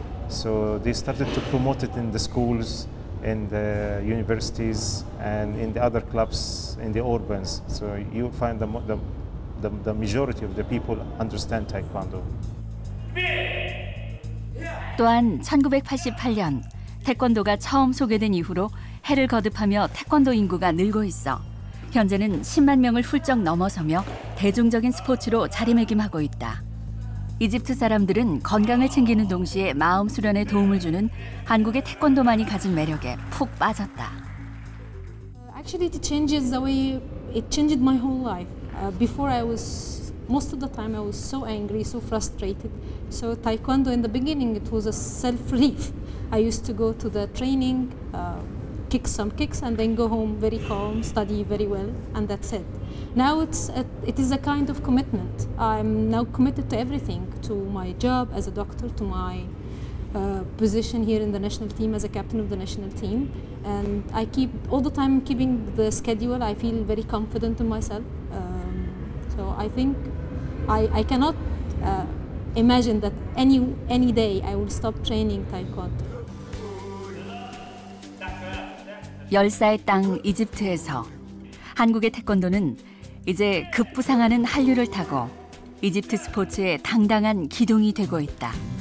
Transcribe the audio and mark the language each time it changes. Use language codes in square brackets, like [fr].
[en] So they started to promote it in the schools, in the universities, and in the other clubs in the urbans. So you find the majority of the people understand Taekwondo. [ko] 또한 1988년 태권도가 처음 소개된 이후로 해를 거듭하며 태권도 인구가 늘고 있어 현재는 10만 명을 훌쩍 넘어서며 대중적인 스포츠로 자리매김하고 있다. 이집트 사람들은 건강을 챙기는 동시에 마음 수련에 도움을 주는 한국의 태권도만이 가진 매력에 푹 빠졌다. [en] Actually, it changes the way it changed my whole life. Before, I was most of the time I was so angry, so frustrated. So Taekwondo in the beginning it was a self relief. I used to go to the training, kick some kicks, and then go home very calm, study very well, and that's it. Now it is a kind of commitment. I'm now committed to everything, to my job as a doctor, to my position here in the national team as a captain of the national team. And I keep all the time keeping the schedule. I feel very confident in myself. So I think I cannot imagine that any day I will stop training Taekwondo. [ko] 열사의 땅 이집트에서 한국의 태권도는 이제 급부상하는 한류를 타고 이집트 스포츠의 당당한 기둥이 되고 있다.